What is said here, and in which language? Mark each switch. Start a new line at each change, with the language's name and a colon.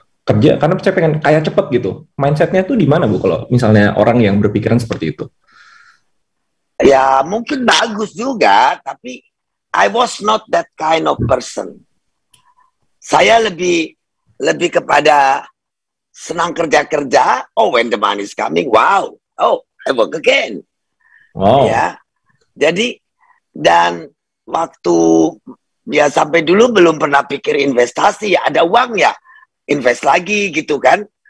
Indonesian: kerja karena saya pengen kaya cepat gitu. Mindsetnya tuh di mana Bu kalau misalnya orang yang berpikiran seperti itu? Ya mungkin bagus juga, tapi
English: I was not that kind of person.
Indonesian: Saya lebih kepada senang kerja-kerja.
English: Oh, when the money is coming, wow. Oh, I work again. Wow. Ya.
Indonesian: Jadi dan waktu ya sampai dulu belum pernah pikir investasi, ya ada uang ya invest lagi gitu kan.